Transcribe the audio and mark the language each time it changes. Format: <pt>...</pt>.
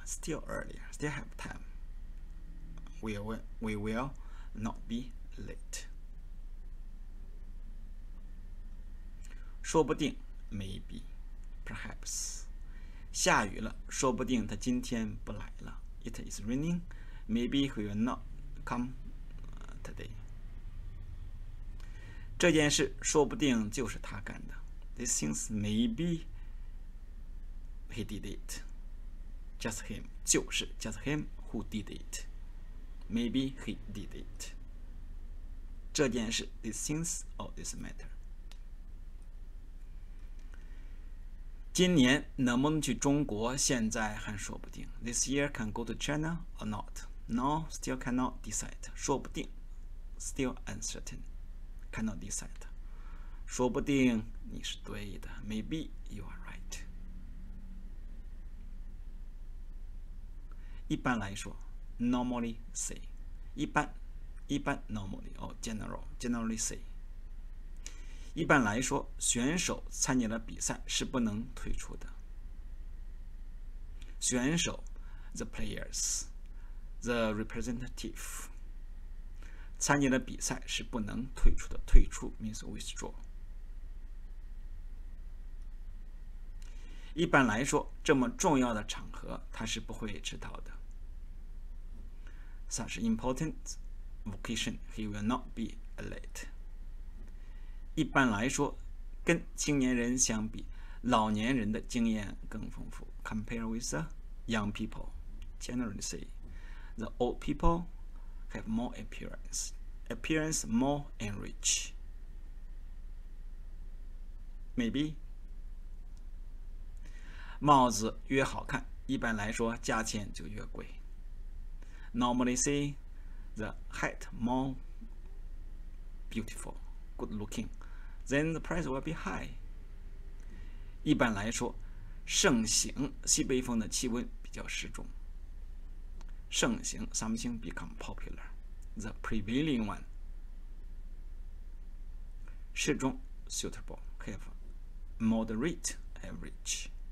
<en>Still early, still have time. We will not be late. 说不定, maybe, perhaps.</en> <zh>下雨了，说不定他今天不来了。</zh> <en>It is raining, maybe he will not come today.</en> <zh>这件事说不定就是他干的。</zh> <en>This thing's maybe he did it. Just him. 就是 just him who did it. Maybe he did it. 这件事 this things or this matter.</en> <zh>今年能不能去中国现在还说不定。</zh> <en>This year can go to China or not? No, still cannot decide. 说不定 still uncertain. Cannot decide.</en> <zh>说不定你是对的。</zh> <en>Maybe you are right.</en> <zh>一般来说</zh> <en>normally say</en> <zh>一般 normally 哦 generally say 一般来说选手参加了比赛是不能退出的选手</zh> <en>the players the representative</en> <zh>参加了比赛是不能退出的退出</zh> <en>means withdraw</en> <zh>一般来说这么重要的场合他是不会迟到的</zh> <en>Such important vocation, he will not be late.</en> <zh>一般来说，跟青年人相比，老年人的经验更丰富。</zh> <en>Compare with the young people, generally say, the old people have more appearance more enriched. Maybe.</en> <zh>帽子越好看，一般来说价钱就越贵。</zh> <en>Normally say the hat more beautiful, good looking, then the price will be high.</en> <zh>一般来说，盛行西北风的气温比较适中。</zh> <en>盛行 something become popular, the prevailing one. 适中 suitable, have moderate average.</en>